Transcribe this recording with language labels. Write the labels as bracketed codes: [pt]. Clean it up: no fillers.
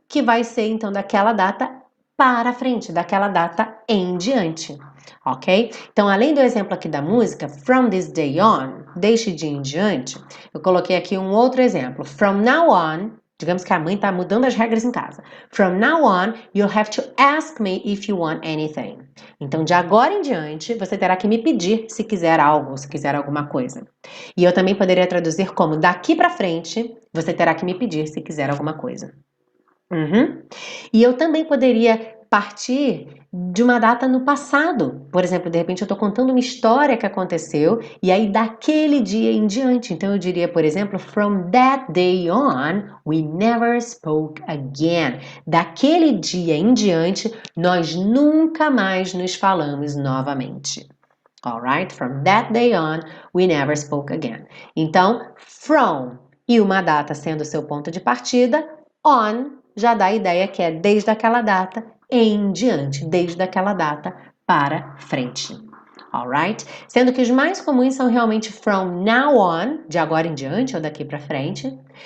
[pt] que vai ser então daquela data para frente, daquela data em diante, ok? Então, além do exemplo aqui da música, [en] from this day on, [pt] deste dia em diante, eu coloquei aqui um outro exemplo. [en] From now on, [pt] digamos que a mãe está mudando as regras em casa. [en] From now on, you'll have to ask me if you want anything. [pt] Então, de agora em diante, você terá que me pedir se quiser algo, se quiser alguma coisa. E eu também poderia traduzir como daqui para frente, você terá que me pedir se quiser alguma coisa. E eu também poderia partir de uma data no passado. Por exemplo, de repente eu estou contando uma história que aconteceu e aí daquele dia em diante. Então eu diria, por exemplo, [en] from that day on, we never spoke again. [pt] Daquele dia em diante, nós nunca mais nos falamos novamente. [en] All right? From that day on, we never spoke again. [pt] Então, from e uma data sendo o seu ponto de partida, on já dá a ideia que é desde aquela data em diante, desde aquela data para frente. [en] All right? [pt] Sendo que os mais comuns são realmente [en] from now on, [pt] de agora em diante ou daqui para frente.